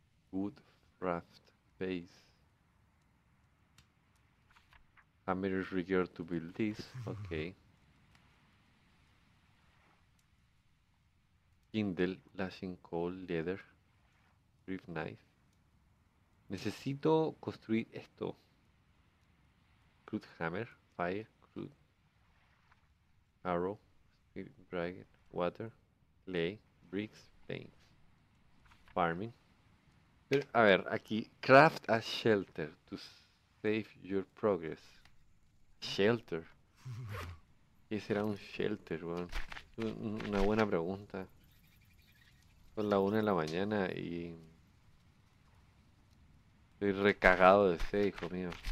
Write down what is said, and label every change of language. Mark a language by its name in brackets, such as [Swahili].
[English] Wood, raft, base. Hammer is required to build this. Okay. Kindle, lashing coal, leather, reef knife. [Spanish] Necesito construir esto. [English] Crude hammer, fire, crude. Arrow, spirit dragon, water, clay, bricks, planks. Farming. [Spanish] Pero, a ver, aquí. [English] Craft a shelter to save your progress. Shelter. [Spanish] ¿Qué será un shelter, weón? Una buena pregunta. Son la 1 de la mañana y... Estoy recagado de sed, hijo mío.